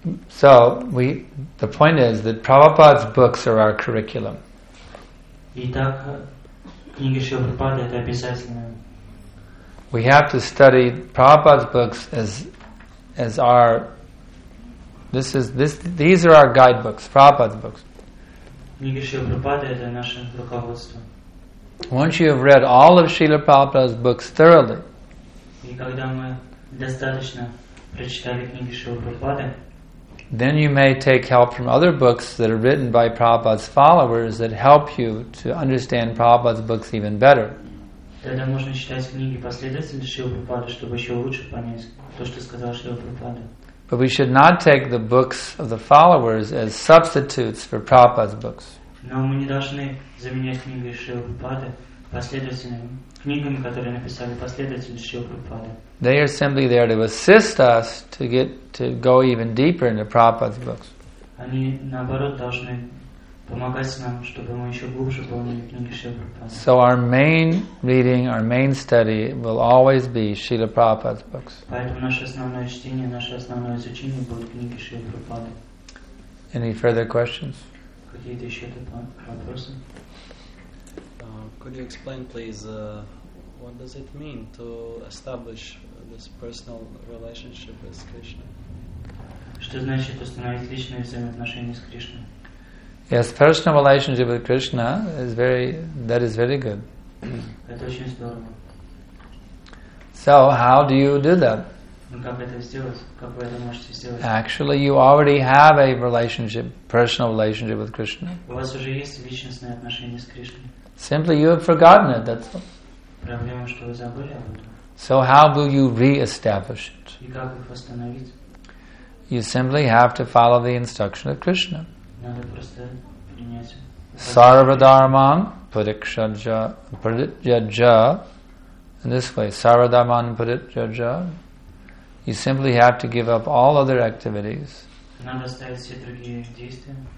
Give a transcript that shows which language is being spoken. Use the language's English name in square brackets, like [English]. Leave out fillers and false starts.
[English] So the point is that Prabhupada's books are our curriculum. [Russian] Итак, книги Шрилы Прабхупады — это обязательно. [English] We have to study Prabhupada's books as our, this is this, these are our guidebooks, Prabhupada's books. [Russian] Книги Шрилы Прабхупады — это наше руководство. [English] Once you have read all of Шрилы Прабхупады's books thoroughly, [Russian] и когда мы достаточно прочитали книги Шрилы Прабхупады, [English] then you may take help from other books that are written by Prabhupada's followers that help you to understand Prabhupada's books even better. [Russian] Тогда можно читать книги последователей Шрилы Прабхупады, чтобы еще лучше понять то, что сказал Шрила Прабхупада. [English] But we should not take the books of the followers as substitutes for Prabhupada's books. [Russian] Но мы не должны заменять книги Шрилы Прабхупады последователями, книгами, которые написали последователи Шрилы Прабхупады. [English] They are simply there to assist us to get to go even deeper into Prabhupada's books. [Russian] Они наоборот должны помогать нам, чтобы мы еще глубже понимали книги Шрилы Прабхупады. [English] So our main reading, our main study will always be Шрила Прабхупада's books. [Russian] Поэтому наше основное чтение, наше основное изучение будет книги Шрилы Прабхупады. [English] Any further questions? [Russian] Какие-то еще вопросы? [English] Could you explain, please, what does it mean to establish this personal relationship with Krishna? [Russian] Что значит установить личные взаимоотношения с Кришной? [English] Yes, personal relationship with Krishna is very, that is very good. [Russian] Это очень здорово. [English] So, how do you do that? [Russian] Ну, как это сделать? Как вы это можете сделать? [English] Actually, you already have a relationship, personal relationship with Krishna. [Russian] У вас уже есть личностные отношения с Кришной. [English] Simply you have forgotten it, that's all. [Russian] Проблема, что вы забыли об этом. [English] So how will you re-establish it? [Russian] И как их восстановить? [English] You simply have to follow the instruction of Krishna. [Russian] Надо просто принять. [Sanskrit] Sarvadharman Parityajya. [English] In this way, [Sanskrit] Sarvadharman Parityajya. [English] You simply have to give up all other activities. [Russian] Надо оставить все другие действия.